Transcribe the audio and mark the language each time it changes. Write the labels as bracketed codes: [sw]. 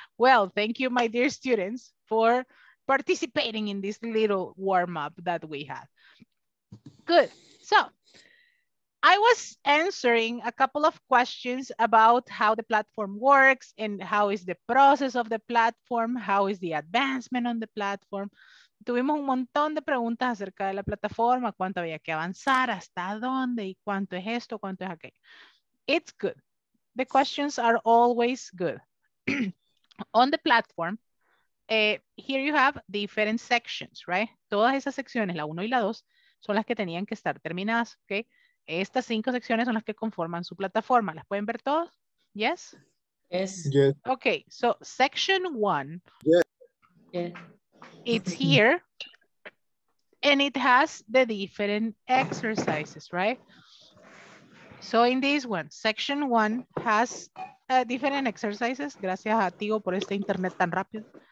[en] Well, thank you, my dear students, for participating in this little warm-up that we had. Good. So, I was answering a couple of questions about how the platform works and how is the process of the platform, how is the advancement on the platform. [es] tuvimos un montón de preguntas acerca de la plataforma, cuánto había que avanzar, hasta dónde, y cuánto es esto, cuánto es aquello. [en] It's good. The questions are always good. On the platform, here you have different sections, right? [es] Todas esas secciones, la 1 y la 2, son las que tenían que estar terminadas, okay? Estas 5 secciones son las que conforman su plataforma. ¿Las pueden ver todos? [en] Yes? Yes. Yes. Okay, so section 1. Yes. Yes. It's here. And it has the different exercises, right? So in this one, section 1 has different exercises. [es] Gracias a Tigo por este internet tan rápido.